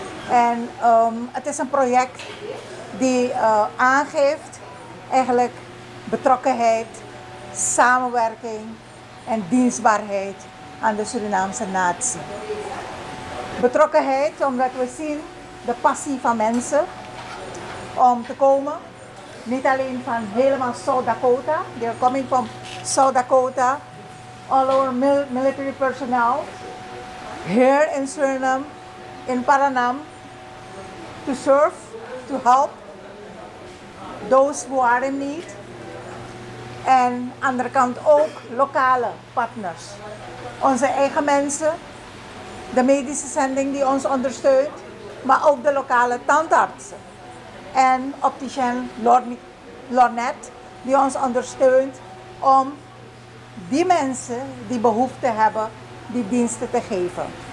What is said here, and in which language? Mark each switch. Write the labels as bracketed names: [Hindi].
[Dutch] En het is een project die aangeeft eigenlijk betrokkenheid, samenwerking en dienstbaarheid aan de Surinaamse natie. Betrokkenheid omdat we zien de passie van mensen om te komen. Niet alleen van helemaal South Dakota, [English] they are coming from South Dakota, all our military personnel, here in Suriname, in Paranam, to serve, to help those who are in need. [Dutch] En aan de andere kant ook lokale partners. Onze eigen mensen, de medische zending die ons ondersteunt, maar ook de lokale tandartsen. En opticien Lornette, die ons ondersteunt om die mensen die behoefte hebben, die diensten te geven.